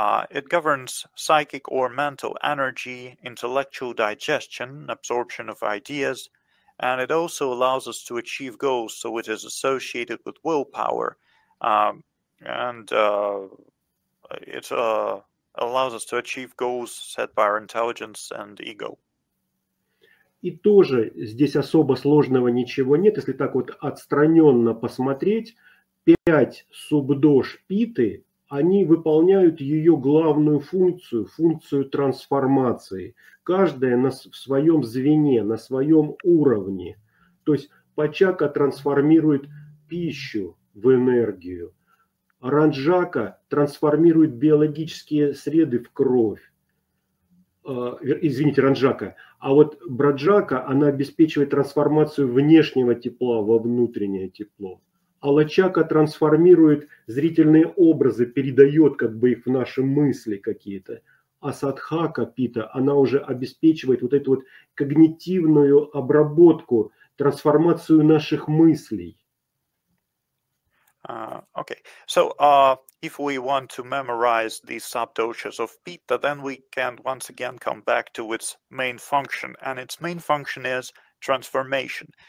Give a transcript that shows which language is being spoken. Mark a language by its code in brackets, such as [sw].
[en] It governs psychic or mental energy, intellectual digestion, absorption of ideas, and it also allows us to achieve goals, so it is associated with willpower, it allows us to achieve goals set by our intelligence and ego. [ru] И тоже здесь особо сложного ничего нет. Если так вот отстраненно посмотреть, 5 субдож питы, они выполняют ее главную функцию, функцию трансформации. Каждая в своем звене, на своем уровне. То есть пачака трансформирует пищу в энергию. Ранджака трансформирует биологические среды в кровь. Ранджака. А вот Браджака, она обеспечивает трансформацию внешнего тепла во внутреннее тепло. А Лачака трансформирует зрительные образы, передает как бы их в наши мысли какие-то. А Садхака Пита, она уже обеспечивает вот эту вот когнитивную обработку, трансформацию наших мыслей. [en] Okay, so if we want to memorize these subdoshas of Pitta, then we can once again come back to its main function, and its main function is transformation.